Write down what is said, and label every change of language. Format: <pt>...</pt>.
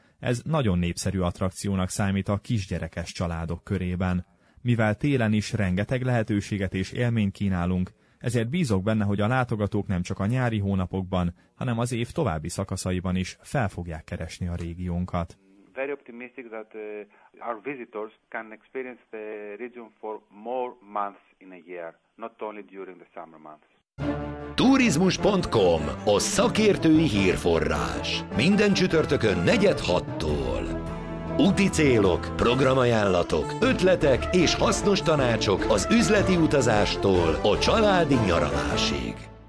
<hu>Ez nagyon népszerű attrakciónak számít a kisgyerekes családok körében. Mivel télen is rengeteg lehetőséget és élményt kínálunk, ezért bízok benne, hogy a látogatók nem csak a nyári hónapokban, hanem az év további szakaszaiban is fel fogják keresni a régiónkat.</hu> <en>Very optimistic that our visitors can experience the region for more months in a year, not only during the summer months.</en> <hu>Turizmus.com, a szakértői hírforrás. Minden csütörtökön 17:30-tól. Úti célok, programajánlatok, ötletek és hasznos tanácsok az üzleti utazástól a családi nyaralásig.</hu>